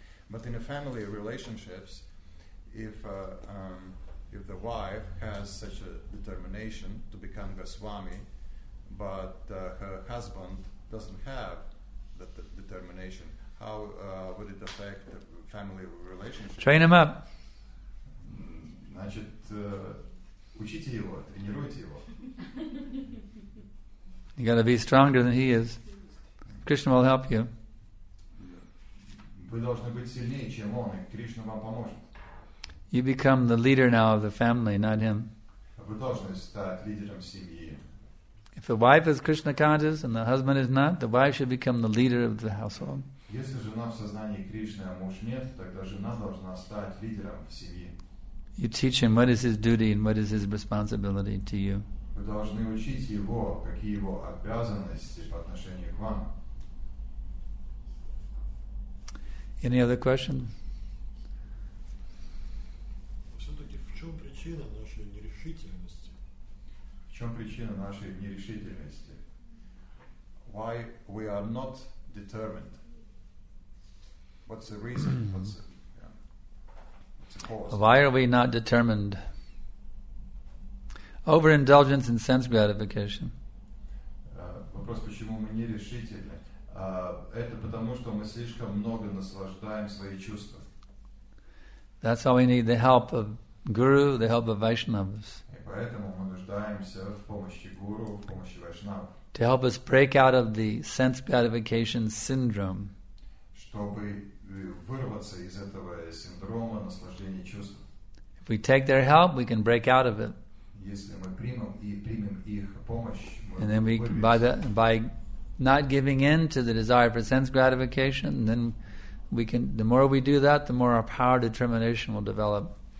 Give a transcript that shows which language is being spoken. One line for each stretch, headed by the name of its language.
English: But in a family relationships, if the wife has such a determination to become Goswami, but her husband doesn't have that determination, how would it affect the family relationship? Train him up.
Russian: Значит, учите его, тренируйте его.
English: You got to be stronger than he is. Krishna will help you.
Russian: Вы должны быть сильнее, чем он, и Кришна вам поможет.
English: You become the leader now of the family, not him.
Russian: Вы должны стать лидером семьи.
English: If the wife is Krishna conscious and the husband is not, the wife should become the leader of the household.
Russian: Если жена в сознании Кришны, а муж нет, тогда жена должна стать лидером в семье.
English: You teach him what is his duty and what is his responsibility to you.
Russian: Вы должны учить его, какие его обязанности по отношению к вам.
English: Any other questions?
Russian: Все-таки в чем причина нашей нерешительности? В чем причина нашей нерешительности?
English: Why we are not determined? What's the reason? What's the cause? Why are we not determined? Overindulgence in sense gratification.
Russian: Вопрос, почему мы нерешительны? Это потому, что мы слишком много наслаждаем свои чувства.
English: That's why we need the help of Guru, the help of Vaishnavas.
Russian: И поэтому мы нуждаемся в помощи Гуру, в помощи Вайшнав.
English: To help us break out of the sense gratification syndrome.
Russian: Чтобы вырваться из этого синдрома наслаждения чувств.
English: If we take their help, we can break out of it.
Russian: Если мы примем их помощь,
English: and then we by not giving in to the desire for sense gratification, then we can. The more we do that, the more our power determination will develop.